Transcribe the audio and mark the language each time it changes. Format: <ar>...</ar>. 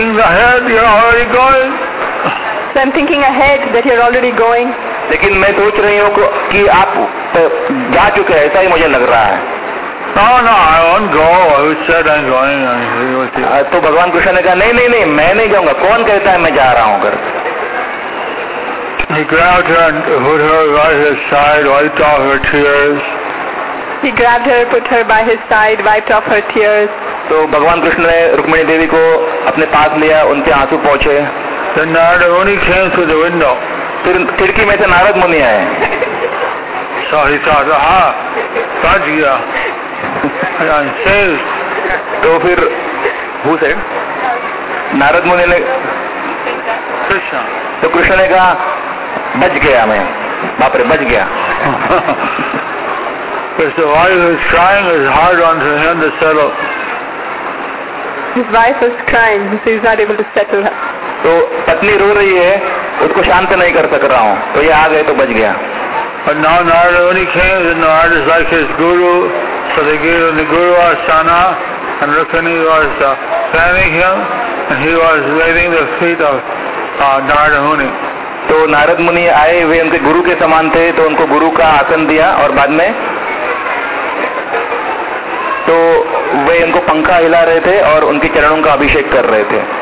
<en>So I'm thinking ahead that you're already going.</en> <hi>लेकिन मैं सोच रही हूँ कि आप जा चुके हैं ऐसा ही मुझे लग रहा है.</hi> <en>No, I won't go. I said I'm going.</en> <hi>तो भगवान कृष्ण ने कहा नहीं नहीं नहीं मैं नहीं जाऊँगा. कौन कहता है मैं जा रहा हूँ.</hi> <en>He grabbed her and put her by his side, wiped off her tears. He grabbed her, put her by his side, wiped off her tears.</en> <hi>तो भगवान कृष्ण ने रुक्मिणी देवी को अपने पास लिया उनके आंसू पहुँचे.</hi> <en>Then Narada Muni came through the window.</en> <hi>फिर खिड़की में से नारद मुनि आए.</hi> <en>So he thought, aha,</en> <hi>bach gaya.</hi> <en>I'm saved.</en> <hi>तो फिर</hi> <en>who said?</en> <hi>नारद मुनि ने कृष्ण. तो कृष्ण ने कहा बच गया मैं. बाप रे बच गया.</hi> <en>Because the wife was crying his heart on to him to settle. His wife was crying, so he's not able to settle her.</en> <hi>तो पत्नी रो रही है उसको शांत नहीं कर सक रहा हूँ. तो ये आ गए तो बच गया.</hi> <en>But now Narada Muni came, Narada is like his guru, so they gave him the guru asana, and Rukmini was fanning him, and he was waving the feet of Narada Muni.</en> <hi>तो नारद मुनि आए वे उनके गुरु के समान थे तो उनको गुरु का आसन दिया और बाद में तो वे उनको पंखा हिला रहे थे और उनके चरणों का अभिषेक कर रहे थे.</hi>